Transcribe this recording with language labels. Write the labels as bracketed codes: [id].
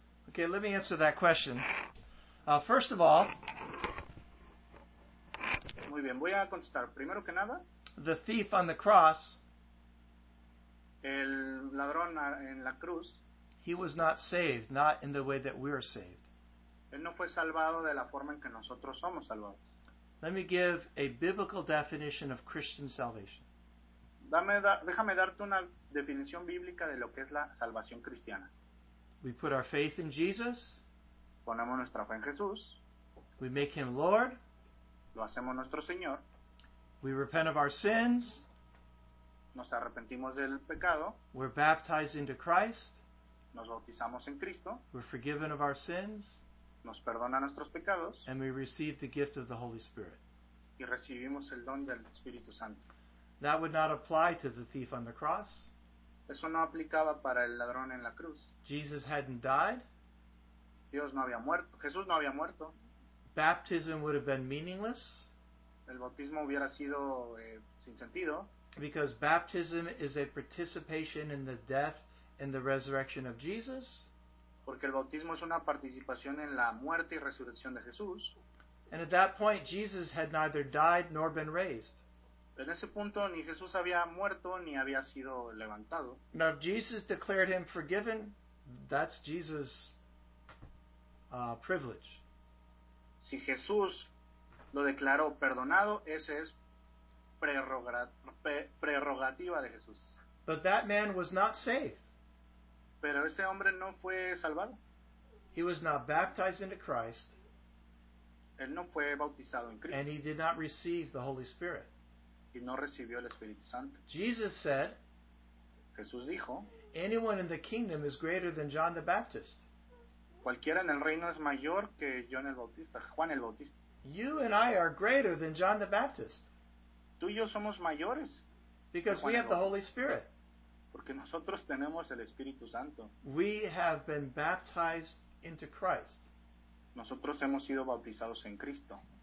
[en] Okay, let me answer that question. First of all, [es] muy bien, voy a contestar. Primero que nada, [en] the thief on the cross, [es] el ladrón en la cruz, [en] he was not saved, not in the way that we are saved. [es] Él no fue salvado de la forma en que nosotros somos salvados. [en] Let me give a biblical definition of Christian salvation. [es] Déjame darte una definición bíblica de lo que es la salvación cristiana. [en] We put our faith in Jesus. [es] Ponemos nuestra fe en Jesús. [en] We make him Lord. [es] Lo hacemos nuestro Señor. [en] We repent of our sins. [es] Nos arrepentimos del pecado. [en] We're baptized into Christ. [es] Nos bautizamos en Cristo. [en] We're forgiven of our sins. [es] Nos perdona nuestros pecados. [en] And we receive the gift of the Holy Spirit. [es] Y recibimos el don del Espíritu Santo. [en] That would not apply to the thief on the cross. [es] Eso no aplicaba para el ladrón en la cruz. [en] Jesus hadn't died. [es] Dios no había muerto. Jesús no había muerto. [en] Baptism would have been meaningless. [es] El bautismo hubiera sido sin sentido. [en] Because baptism is a participation in the death and the resurrection of Jesus. [es] Porque el bautismo es una participación en la muerte y resurrección de Jesús. [en] And at that point, Jesus had neither died nor been raised. [es] En ese punto, ni Jesús había muerto ni había sido levantado. [en] Now, if Jesus declared him forgiven, that's Jesus' privilege. [es] Si Jesús lo declaró perdonado, ese es prerrogativa de Jesús. [en] But that man was not saved. [es] Pero ese hombre no fue salvado. [en] He was not baptized into Christ. [es] Él no fue bautizado en Cristo. [en] And he did not receive the Holy Spirit. [es] Y no recibió el Espíritu Santo. [en] Jesus said, [es] Jesús dijo, [en] anyone in the kingdom is greater than John the Baptist. [es] Cualquiera en el reino es mayor que John el Bautista, Juan el Bautista. [en] You and I are greater than John the Baptist. [es] Tú y yo somos mayores. [en] Because we have the Holy Spirit. [es] Porque nosotros tenemos el Espíritu Santo. [en] We have been baptized into Christ. [es] Nosotros hemos sido bautizados en Cristo.